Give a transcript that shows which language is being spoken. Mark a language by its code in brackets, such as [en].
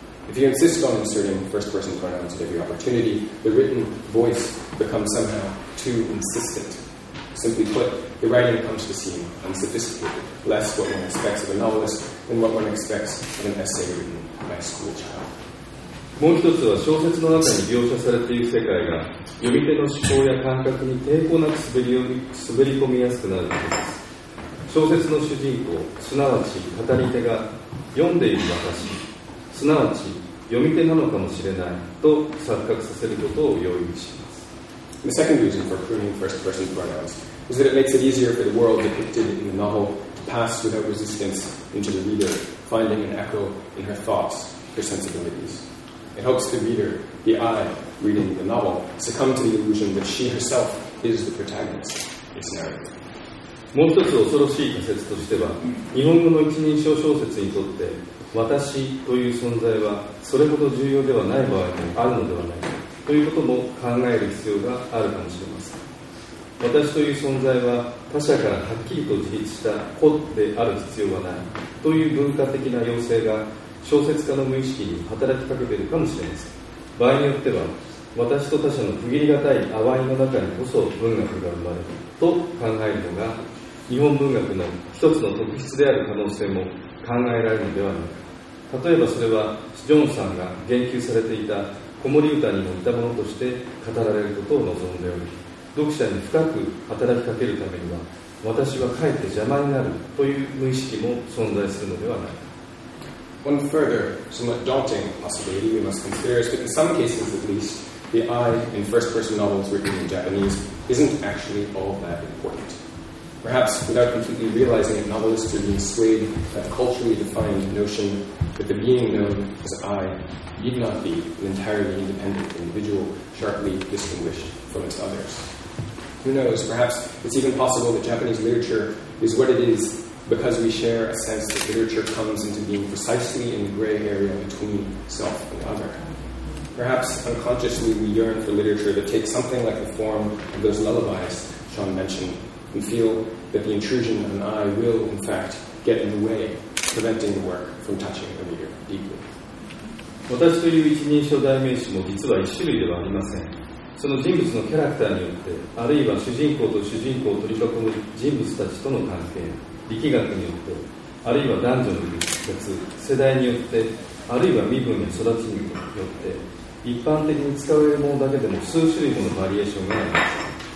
[en] If you insist on inserting first person pronouns at every opportunity, the written voice becomes somehow too insistent. Simply put, the writing comes to seem unsophisticated, less what one expects of a novelist than what one expects of an essay written by a school child. [ja] もう一つは、小説の中に描写されている世界が読み手の思考や感覚に抵抗なく滑り込みやすくなることです。小説の主人公、すなわち語り手が読んでいる私、すなわち読み手なのかもしれないと錯覚させることを容易にします。 [en] The second reason for pruning first person pronouns is that it makes it easier for the world depicted in the novel to pass without resistance into the reader, finding an echo in her thoughts, her sensibilities. It helps the reader, the I, reading the novel, succumb to the illusion that she herself is the protagonist, its narrative. [ja] もう一つ恐ろしい仮説としては、日本語の一人称小説にとって私という存在はそれほど重要ではない場合もあるのではないかということも考える必要があるかもしれません。私という存在は他者からはっきりと自立した個である必要はないという文化的な要請が小説家の無意識に働きかけているかもしれません。場合によっては私と他者の区切りがたい淡いの中にこそ文学が生まれると考えるのが日本文学の一つの特質である可能性も考えられるのではないか。例えばそれはジョンさんが言及されていた子守歌にも似たものとして語られることを望んでおり、読者に深く働きかけるためには私はかえって邪魔になるという無意識も存在するのではないか。 [en] One further, somewhat daunting possibility we must consider is that in some cases at least, the I in first person novels written in Japanese isn't actually all that important. Perhaps without completely realizing it, novelists are being swayed by the culturally defined notion that the being known as I need not be an entirely independent individual sharply distinguished from its others. Who knows, perhaps it's even possible that Japanese literature is what it is because we share a sense that literature comes into being precisely in the gray area between self and other. Perhaps unconsciously we yearn for literature that takes something like the form of those lullabies Sean mentioned and feel that the intrusion of an eye will, in fact, get in the way, preventing the work from touching the reader deeply. [ja] 私という一人称代名詞も実は一種類ではありません。その人物のキャラクターによって、あるいは主人公と主人公を取り囲む人物たちとの関係、力学によって、あるいは男女の力学、世代によって、あるいは身分や育ちによって、一般的に使われるものだけでも数種類ものバリエーションがあります。